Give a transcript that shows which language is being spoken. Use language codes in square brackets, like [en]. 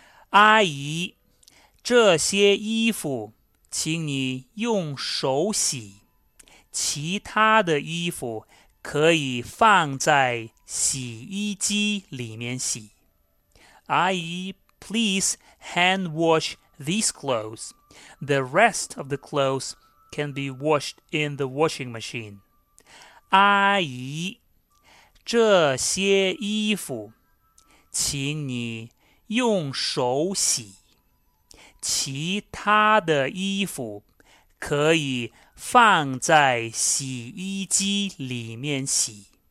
[zh] 阿姨，这些衣服请你用手洗，其他的衣服可以放在洗衣机里面洗。 [en] 阿姨, please hand wash these clothes. The rest of the clothes can be washed in the washing machine. [zh] 阿姨，这些衣服请你用手洗，其他的衣服可以放在洗衣机里面洗。